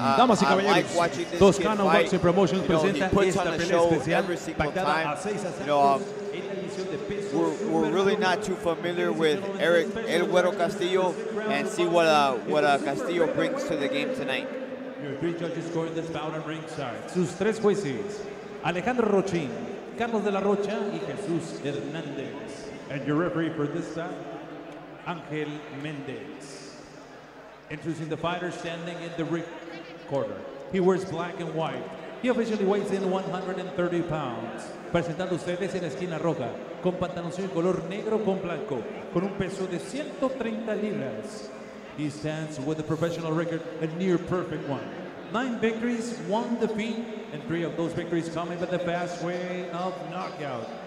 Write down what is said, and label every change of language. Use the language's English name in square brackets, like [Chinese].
[Spanish] Damas y caballeros, [English] I like watching this Toscano kid fight. Boxing Promotions, you know, he puts on the show every single time. You know, we're really not too familiar with Erik El Güero Castillo, and see what Castillo brings to the game tonight. Your three judges scoring this bout on ringside. [Spanish] Sus tres jueces, Alejandro Rochin, Carlos de la Rocha, y Jesús Hernández. [English] And your referee for this bout, Angel Mendez. Introducing the fighter standing in the ring corner. He wears black and white. He officially weighs in 130 pounds. [Spanish] Presentando ustedes en la esquina roja, con pantaloncillo de color negro con blanco, con un peso de 130 libras. [English] He stands with a professional record, a near perfect one. 9 victories, 1 defeat, and 3 of those victories coming by the fast way of knockout.